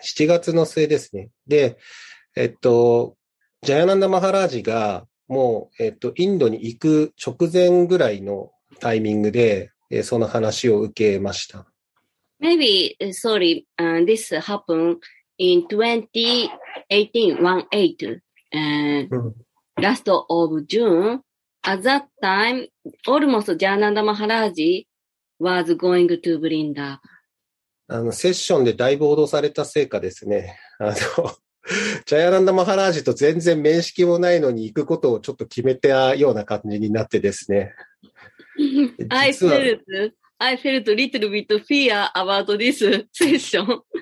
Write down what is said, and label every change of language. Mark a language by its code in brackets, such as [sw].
[ja] 7月の末ですね。で、ジャヤナンダ・マハラージが、もう、インドに行く直前ぐらいのタイミングで、その話を受けました。 [en] Maybe, sorry, this happened in 2018, last of June. At that time, almost ジャヤナンダ・マハラージ was going to Vrindavan. [ja] セッションでだいぶ脅されたせいかですね。ジャヤナンダ・マハラージと全然面識もないのに行くことをちょっと決めてあような感じになってですね。 [en] I felt a little bit fear about this session.